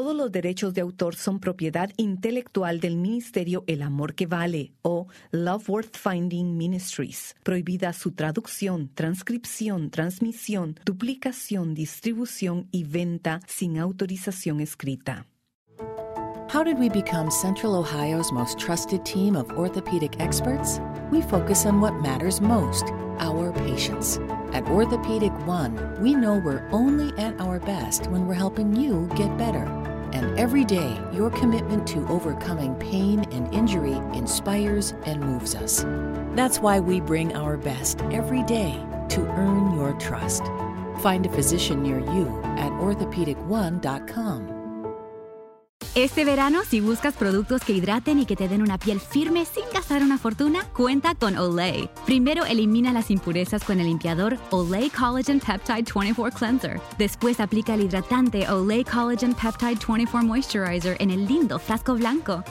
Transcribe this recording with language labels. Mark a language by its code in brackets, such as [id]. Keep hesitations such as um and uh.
[es] derechos de autor son propiedad intelectual del Ministerio El Amor que Vale o Love Worth Finding Ministries. Prohibida su traducción, transcripción, transmisión, duplicación, distribución y venta sin autorización escrita. [en] How did we become Central Ohio's most trusted team of orthopedic experts? We focus on what matters most, our patients. At Orthopedic One, we know we're only at our best when we're helping you get better. and every day your commitment to overcoming pain and injury inspires and moves us. That's why we bring our best every day to earn your trust. Find a physician near you at orthopedic1.com. [es] Este verano, si buscas productos que hidraten y que te den una piel firme sin gastar una fortuna, cuenta con Olay. Primero elimina las impurezas con el limpiador Olay Collagen Peptide 24 Cleanser. Después aplica el hidratante Olay Collagen Peptide 24 Moisturizer en el lindo frasco blanco.